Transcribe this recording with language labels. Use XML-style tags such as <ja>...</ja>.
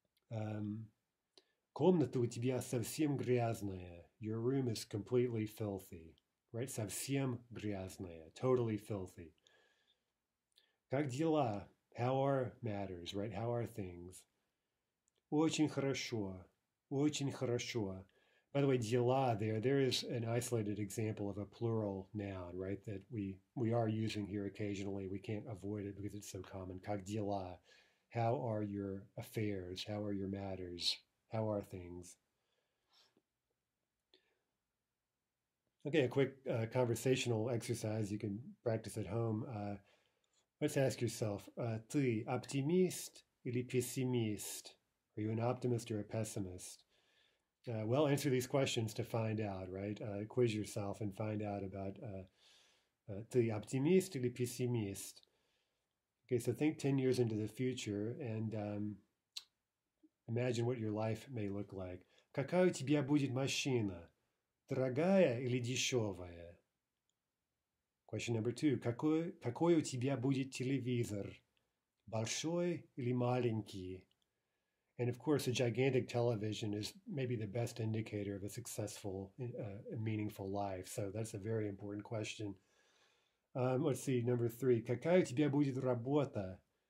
<ru>Комната у тебя совсем грязная.</ru> <en>Your room is completely filthy, right?</en> <ru>Совсем грязная,</ru> <en>totally filthy.</en> <ru>Как дела?</ru> <en>How are matters, right? How are things?</en> <ru>Очень хорошо, очень хорошо.</ru> <en>By the way, дела there is an isolated example of a plural noun, right, that we are using here occasionally. We can't avoid it because it's so common.</en> <ru>Как дела?</ru> <en>How are your affairs? How are your matters? How are things? Okay, a quick conversational exercise you can practice at home. Let's ask yourself,</en> <ru>ты оптимист или пессимист?</ru> <en>Are you an optimist or a pessimist? Well, answer these questions to find out, right? Quiz yourself and find out about the optimist or the pessimist. Okay, so think 10 years into the future and imagine what your life may look like.</en> <ru>Какая у тебя будет машина? Дорогая или дешевая?</ru> <en>Question number two.</en> <ru>Какой у тебя будет телевизор? Большой или маленький?</ru> <en>And of course, a gigantic television is maybe the best indicator of a successful, meaningful life. So that's a very important question. Let's see, number three.</en> <ru>Какая у тебя будет работа?</ru>